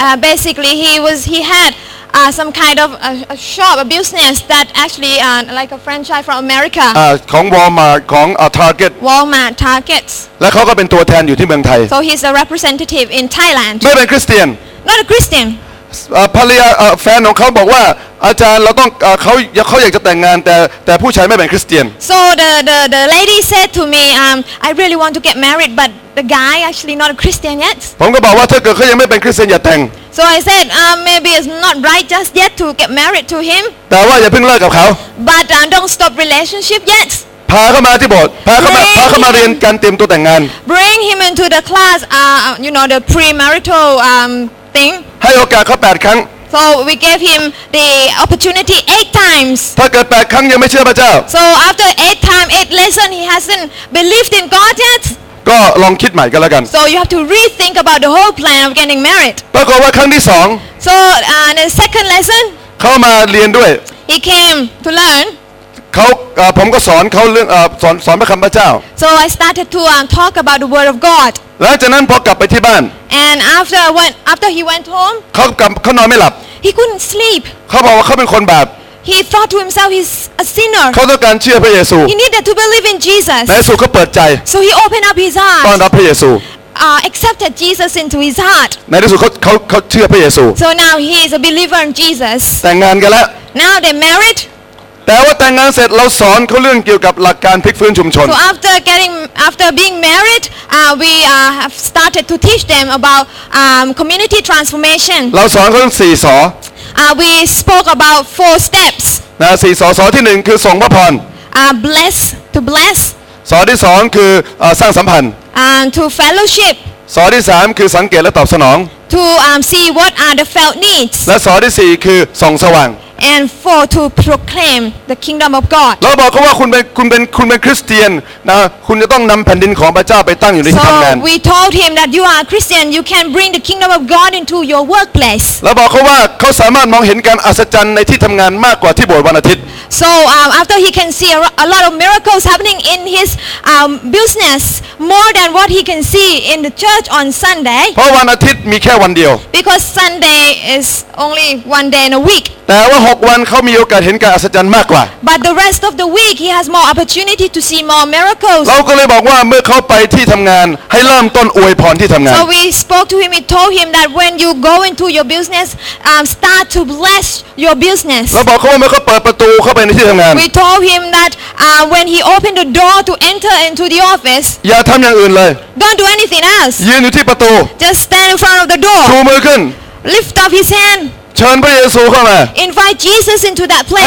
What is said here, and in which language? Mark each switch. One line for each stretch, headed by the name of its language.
English: Basically, he had some kind of a shop, a business that actually like a franchise from America.
Thai: ของ Walmart, ของ Target.
English: Walmart, Target.
Thai: และเขาก็เป็นตัวแทนอยู่ที่เมืองไทย
English: So he's a representative in Thailand.
Thai: ไม่เป็นคริสเตียน
English: Not a Christian.
Thai: ภรรยาแฟนของเขาบอกว่าอาจารย์เราต้องเขาอยากจะแต่งงานแต่ผู้ชายไม่เป็นคริสเตียน
English: So the lady said to me I really want to get married but the guy actually not a Christian yet
Thai: ผมก็บอกว่าถ้าเกิดเขายังไม่เป็นคริสเตียนอย่าแต่ง
English: So I said maybe it's not right just yet to get married to him
Thai: แต่ว่าอย่าเพิ่งเลิกกับเขา
English: But don't stop relationship yet
Thai: พาเขามาที่โบสถ์พาเขามาเรียนการเตรียมตัวแต่งงาน
English: Bring him into the class you know the premarital thing
Thai: ให้โอกาสเขา8ครั้ง
English: So we gave him the opportunity 8 times.
Thai: ถ้าเกิด8ครั้งยังไม่เชื่อพระเจ้า
English: So after 8 time 8 lesson he hasn't believed in God yet.
Thai: ก็ลองคิดใหม่ก็แล้วกัน
English: So you have to rethink about the whole plan of getting married.
Thai: ปรากฏว่าครั้งที่2
English: So the second lesson
Thai: เข้ามาเรียนด้วย
English: He came to learn.
Thai: ผมก็สอนเขาเรื่องสอนพระคำพระเจ้า
English: So I started to talk about the word of God.
Thai: หลังจากนั้นพอกลับไปที่บ้าน
English: And after he went home
Thai: เขานอนไม่หลับ
English: He couldn't sleep
Thai: เขาบอกว่าเขาเป็นคนบาป
English: He thought to himself he's a sinner
Thai: เขาต้องการเชื่อพระเยซู
English: He needed to believe in Jesus
Thai: พระเยซูเขาเปิดใจ
English: So he opened up his heart
Thai: ต้อนรับพระเยซู
English: Accepted Jesus into his heart
Thai: ในที่สุดเขาเชื่อพระเยซู
English: So now he is a believer in Jesus
Thai: แต่งงานกันแล้ว
English: Now they married
Thai: แต่ว่าแต่งงานเสร็จเราสอนเขาเรื่องเกี่ยวกับหลักการพลิกฟื้นชุมชน
English: So after getting after being married we have started to teach them about community transformation
Thai: เราสอนเขาเรื่อง4ส
English: อ we spoke about 4 steps
Thai: นะ4สอสอที่1คือส่งพระพร
English: bless to bless
Thai: สอที่2คือสร้างสัมพันธ์
English: to fellowship
Thai: สอที่3คือสังเกตและตอบสนอง
English: to see what are the felt needs
Thai: และสอที่4คือส่องสว่าง
English: and for to proclaim the kingdom of God.
Thai: เราบอกเขาว่าคุณเป็นคริสเตียนนะคุณจะต้องนำแผ่นดินของพระเจ้าไปตั้งอยู่ในที่ทำงาน
English: So we told him that you are a Christian, you can bring the kingdom of God into your workplace.
Thai: เราบอกเขาว่าเขาสามารถมองเห็นการอัศจรรย์ในที่ทำงานมากกว่าที่โบสถ์วันอาทิตย์
English: So after he can see a lot of miracles happening in his business more than what he can see in the church on Sunday.
Thai: เพราะวันอาทิตย์มีแค่วันเดียว
English: Because Sunday is only one day in a week.
Thai: แต่ว่า6วันเขามีโอกาสเห็นการอัศจรรย์มากกว่า
English: But the rest of the week he has more opportunity to see more miracles
Thai: เราก็เลยบอกว่าเมื่อเขาไปที่ทำงานให้เริ่มต้นอวยพรที่ทำงาน
English: So we spoke to him we told him that when you go into your business start to bless your business
Thai: เราบอกเขาว่าเมื่อเขาเปิดประตูเข้าไปในที่ทำงาน
English: We told him that when he opened the door to enter into the office
Thai: อย่าทำอย่างอื่นเลย
English: Don't do anything else
Thai: ยืนอยู่ที่ประตู
English: Just stand in front of the door
Thai: ชูมือขึ้น
English: Lift up his hand
Thai: เชิญพระเยซูเข้ามา
English: Invite Jesus into that place